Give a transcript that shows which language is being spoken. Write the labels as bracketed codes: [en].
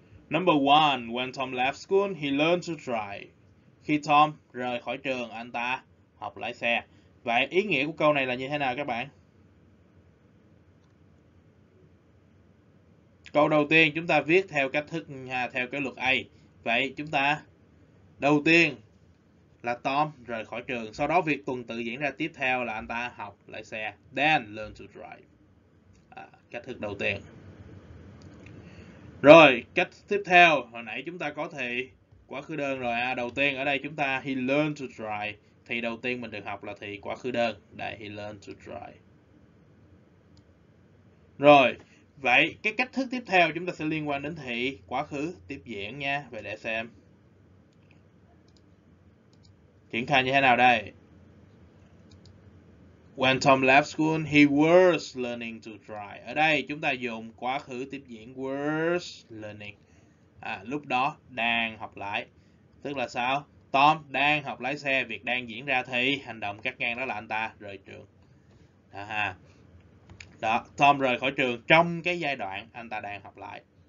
[en] Number one, when Tom left school, he learned to drive. [vi] Khi Tom rời khỏi trường, anh ta học lái xe. Vậy ý nghĩa của câu này là như thế nào các bạn? Câu đầu tiên chúng ta viết theo cách thức theo cái luật A. Vậy chúng ta đầu tiên là Tom rời khỏi trường, sau đó việc tuần tự diễn ra tiếp theo là anh ta học lái xe, [en] then learn to drive. [vi] À, cách thức đầu tiên. Rồi, cách tiếp theo, hồi nãy chúng ta có thì quá khứ đơn rồi à. Đầu tiên ở đây chúng ta [en] he learned to drive. [vi] Thì đầu tiên mình được học là thì quá khứ đơn. [en] Đây, he learned to drive. [vi] Rồi, vậy cái cách thức tiếp theo chúng ta sẽ liên quan đến thì quá khứ tiếp diễn nha. Vậy để xem. Triển khai như thế nào đây? [en] When Tom left school, he was learning to drive. [vi] Ở đây chúng ta dùng quá khứ tiếp diễn was learning. À, lúc đó đang học lại. Tức là sao? Tom đang học lái xe, việc đang diễn ra thì hành động cắt ngang đó là anh ta rời trường. Đó, ha. Đó, Tom rời khỏi trường trong cái giai đoạn anh ta đang học lại.